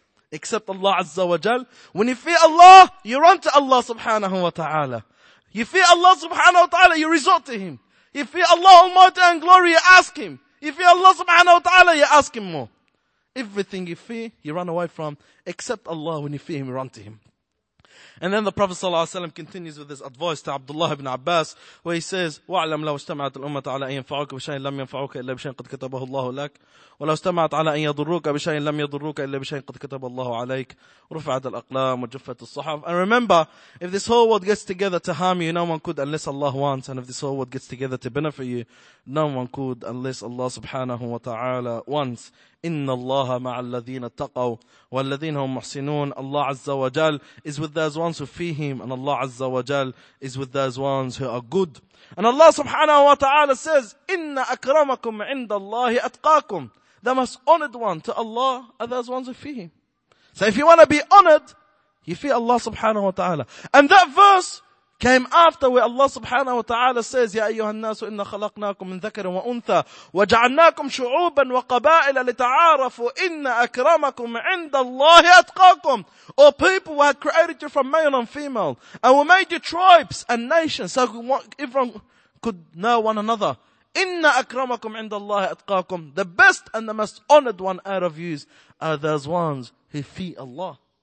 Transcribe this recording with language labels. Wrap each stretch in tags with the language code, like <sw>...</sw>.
<en>Except Allah Azza wa Jal. When you fear Allah, you run to Allah subhanahu wa ta'ala. You fear Allah subhanahu wa ta'ala, you resort to him. You fear Allah Almighty and glory, you ask him. You fear Allah subhanahu wa ta'ala, you ask him more. Everything you fear, you run away from. Except Allah, when you fear him, you run to him. And then the Prophet sallallahu alaihi wasallam continues with his advice to Abdullah ibn Abbas, where he says,</en> <ar>وَعْلَمْ لَوْ اجْتَمَعَتْ الْأُمَّةَ عَلَىٰ أَنْ يَنْفَعُوكَ بِشَيْءٍ لَمْ يَنْفَعُوكَ إِلَّا بِشَيْءٍ قَدْ كَتَبَهُ اللَّهُ لَكَ وَلَوْ اجْتَمَعَتْ عَلَىٰ أَنْ يَضُرُّوكَ بِشَيْءٍ لَمْ يَضُرُّوكَ إِلَّا بِشَيْءٍ قَدْ كَتَبَ اللَّهُ عَلَيْكَ رُفِعَتِ الْأَقْلَامُ وَجُفَّتِ الصُّحُفُ.</ar> <en>And remember, if this whole world gets together to harm you, no one could unless Allah wants. And if this whole world gets together to benefit you, no one could unless Allah subhanahu wa ta'ala wants.</en> <ar>إِنَّ اللَّهَ مَعَ الَّذِينَ اتَّقَوْا وَالَّذِينَ هُمْ مُحْسِنُونَ.</ar> <en>Allah Azza wa Jal is with those ones who fear him, and Allah Azza wa Jal is with those ones who are good. And Allah subhanahu wa ta'ala says,</en> <ar>إِنَّ أَكْرَمَكُمْ عِنْدَ اللَّهِ أَتْقَاكُمْ.</ar> <en>The most honored one to Allah are those ones who fear him. So if you want to be honored, you fear Allah subhanahu wa ta'ala. And that verse came after where Allah subhanahu wa ta'ala says,</en> <ar>يَا أَيُّهَا النَّاسُ إِنَّ خَلَقْنَاكُمْ مِنْ ذَكَرٍ وَأُنْثَى وَجَعَلْنَاكُمْ شُعُوبًا وَقَبَائِلَ لِتَعَارَفُوا إِنَّ أَكْرَمَكُمْ عِنْدَ اللَّهِ أَتْقَاكُمْ.</ar> <en>O people, we have created you from male and female, and we made you tribes and nations so everyone could know one another.</en> <ar>إِنَّ أَكْرَمَكُمْ عِنْدَ اللَّهِ أَتْقَاكُمْ.</ar> <en>The best and the most honored one out of you are those ones who fear Allah.</en>